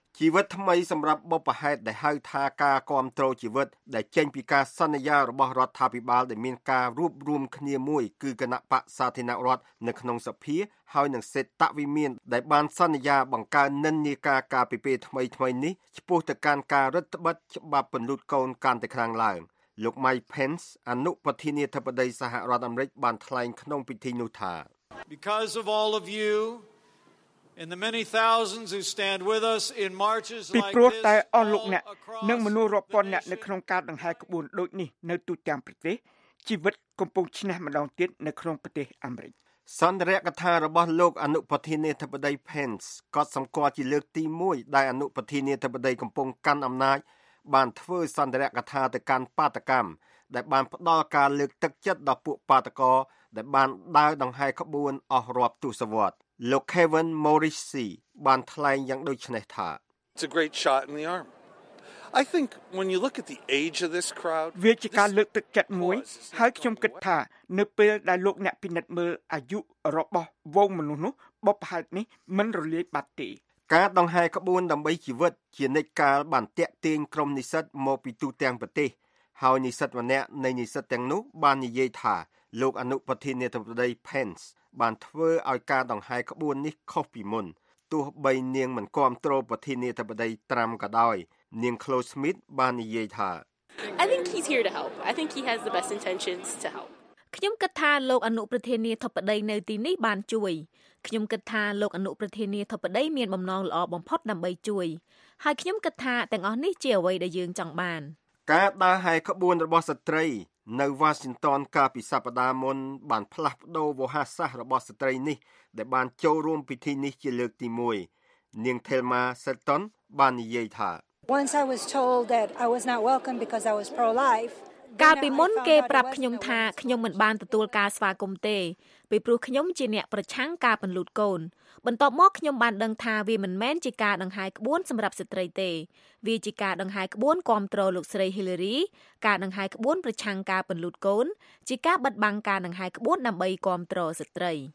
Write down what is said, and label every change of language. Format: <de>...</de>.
<km>ជីវិតថ្មីសម្រាប់បុព្វហេតុដែលហៅថាការគ្រប់គ្រងជីវិតដែលចេញពីការសន្យារបស់រដ្ឋាភិបាលដែលមានការរួបរวมគ្នាមួយគឺគណៈបកសាធារណរដ្ឋនៅក្នុងសភាហើយនឹងសេតវិមានដែលបានសន្យាបង្កើននិន្នាការការពីពេលថ្មីថ្មីនេះឆ្ពោះទៅកាន់ការរដ្ឋបတ်ច្បាប់ពន្លូតកូនកាន់តែខ្លាំងឡើង លោក Mike Pence អនុប្រធានាធិបតីសហរដ្ឋអាមេរិកបានថ្លែងក្នុងពិធីនោះថា</km> <en>Because of all of you and the many thousands who stand with us in marches like this</en> <km>ពីព្រោះតែអស់លោកអ្នកនិងមនុស្សរាប់ពាន់អ្នកនៅក្នុងការដង្ហែក្បួនដូចនេះនៅទូទាំងប្រទេសជីវិតកំពុងឈ្នះម្ដងទៀតនៅក្នុងប្រទេសអាមេរិក សន្ទរកថារបស់លោកអនុប្រធានាធិបតី Pence ក៏សម្គាល់ជាលើកទី1ដែលអនុប្រធានាធិបតីកំពុងកាន់អំណាចបានធ្វើសន្ទរកថាទៅកាន់បាតកម្មដែលបានផ្ដល់ការលើកទឹកចិត្តដល់ពួកបាតករដែលបានដើរដង្ហែក្បួនអស់រាប់ទសវត្សរ៍លោក Kevin Morrissey បានថ្លែងយ៉ាងដូចនេះថា</km> <en>It's a great shot in the arm. I think when you look at the age of this crowd</en> <km>វាជាការលើកទឹកចិត្តមួយហើយខ្ញុំគិតថានៅពេលដែលលោកអ្នកពិនិត្យមើលអាយុរបស់វងមនុស្សនោះបបផាល់នេះមិនរលាយបាត់ទេ ការដង្ហែក្បួនដើម្បីជីវិតជានិច្ចកាលបានតាក់ទាញក្រុមនិស្សិតមកពីទូទាំងប្រទេសហើយនិស្សិតម្នាក់នៃនិស្សិតទាំងនោះបាននិយាយថាលោកអនុប្រធានាធិបតី Pence បានធ្វើឲ្យការដង្ហែក្បួននេះខុសពីមុនទោះបីនាងមិនគាំទ្រប្រធានាធិបតី Trump ក៏ដោយនាង Chloe Smith បាននិយាយថា</km> <en>I think he's here to help. I think he has the best intentions to help.</en> <km>ខ្ញុំគិតថាលោកអនុប្រធានាធិបតីនៅទីនេះបានជួយ។ខ្ញុំគិតថាលោកអនុប្រធានាធិបតីមានបំណងល្អបំផុតដើម្បីជួយ។ហើយខ្ញុំគិតថាទាំងអស់នេះជាអ្វីដែលយើងចង់បាន ។ការដើរហែក្បួនរបស់ស្ត្រីនៅ Washington កាលពីសប្តាហ៍មុនបានផ្លាស់ប្ដូរវោហារសាស្ត្ររបស់ស្ត្រីនេះដែលបានចូលរួមពិធីនេះជាលើកទី1។នាង Thelma Sutton បាននិយាយថា</km> <en>Once I was told that I was not welcome because I was pro-life.</en> <km>កាលពីមុនគេប្រាប់ខ្ញុំថាខ្ញុំមិនបានទទួលការស្វាគមន៍ទេពីព្រោះខ្ញុំជាអ្នកប្រឆាំងការពន្លូតកូនបន្ទាប់មកខ្ញុំបានដឹងថាវាមិនមែនជាការដង្ហែក្បួនសម្រាប់ស្ត្រីទេវាជាការដង្ហែក្បួនគាំទ្រលោកស្រី Hillary ការដង្ហែក្បួនប្រឆាំងការពន្លូតកូនជាការបិទបាំងការដង្ហែក្បួនដើម្បីគាំទ្រស្ត្រី</km>